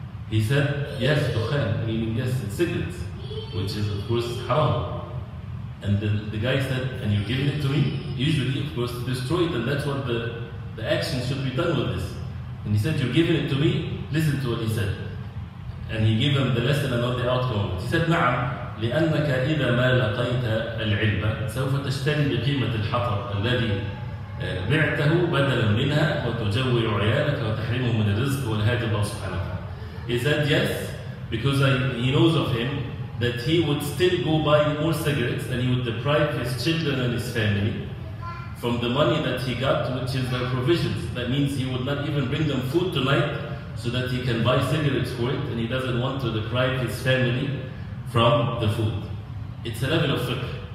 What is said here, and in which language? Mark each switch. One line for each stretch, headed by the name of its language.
English: He said, yes, دخان, meaning yes, it's cigarettes, which is, of course, haram. And the guy said, and you're giving it to me? Usually, of course, to destroy it, and that's what the action should be done with this. And he said, you're giving it to me? Listen to what he said. And he gave him the lesson and not the outcome. He said,
Arabic: نعم, لأنك إذا ما لقيت العلم سوف تشتري بقيمة الحطب الذي بعته بدلا منها وتجوع عيالك وتحرمه من الرزق والهادي الله سبحانه وتعالى.
English: He said, yes, because he knows of him, that he would still go buy more cigarettes and he would deprive his children and his family from the money that he got, which is their provisions. That means he would not even bring them food tonight so that he can buy cigarettes for it, and he doesn't want to deprive his family from the food. It's a level of fiqh.